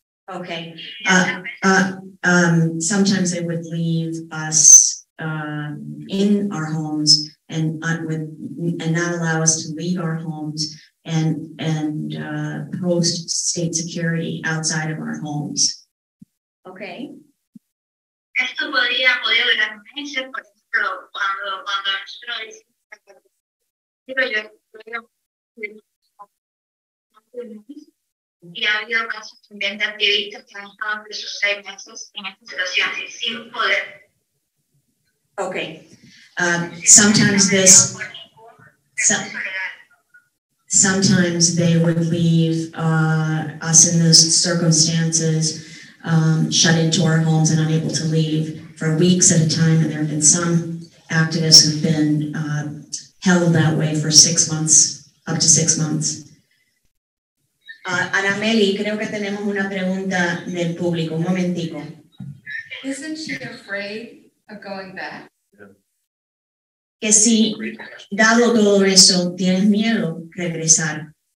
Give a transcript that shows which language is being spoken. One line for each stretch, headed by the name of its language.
English: Okay. Sometimes they would leave us in our homes and not allow us to leave our homes and post state security outside of our homes. Okay.
Spanish: Esto podría durar meses, por ejemplo, cuando nosotros y ha habido casos también de activistas que han estado preso 6 meses en esta situación sin poder.
English: Okay. Sometimes this. Sometimes they would leave us in those circumstances, shut into our homes and unable to leave for weeks at a time. And there have been some activists who've been held that way for 6 months, up to 6 months.
Spanish: Anamely, creo que tenemos una pregunta del público. Un momentico.
English: Isn't she afraid of going back?
Spanish: que si dado todo eso tienes miedo regresar.